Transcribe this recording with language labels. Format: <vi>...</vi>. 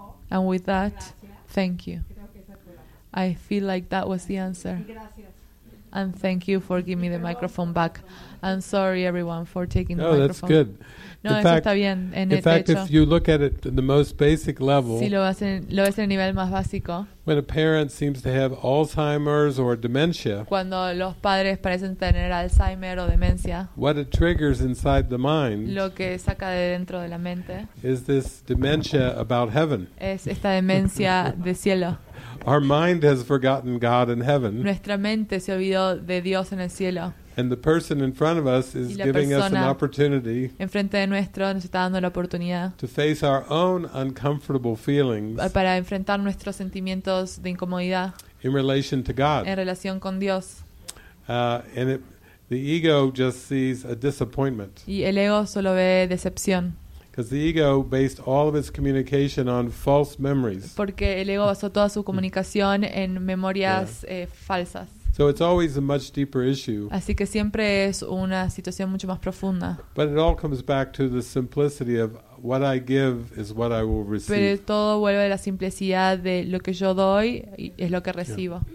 <en>And with that, thank you. I feel like that was the answer. And thank you for giving me the microphone back. I'm sorry, everyone, for taking the microphone. Oh, that's good.</en> <es>No, eso está bien.</es> <en>In fact, if you look at it at the most basic level,</en> <es>si lo ves en el nivel más básico,</es> <en>when a parent seems to have Alzheimer's or dementia,</en> <es>cuando los padres parecen tener Alzheimer o demencia,</es> <en>what it triggers inside the mind,</en> <es>lo que saca de dentro de la mente,</es> <en>is this dementia about heaven.</en> <es>Es esta demencia de cielo.</es> <en>Our mind has forgotten God in heaven.</en> <es>Nuestra mente se olvidó de Dios en el cielo.</es> <en>And the person in front of us is giving us an opportunity.</en> <es>Enfrente de nuestro nos está dando la oportunidad.</es> <en>To face our own uncomfortable feelings.</en> <es>Para enfrentar nuestros sentimientos de incomodidad.</es> <en>In relation to God.</en> <es>En relación con Dios.</es> <en>The ego just sees a disappointment.</en> <es>Y el ego solo ve decepción.</es> <en>Because the ego based all of its communication on false memories.</en> <es>Porque el ego basó toda su comunicación en memorias falsas.</es> <en>So it's always a much deeper issue.</en> <es>Así que siempre es una situación mucho más profunda.</es> <en>But it all comes back to the simplicity of what I give is what I will receive.</en> <es>Pero todo vuelve a la simplicidad de lo que yo doy y es lo que recibo.</es>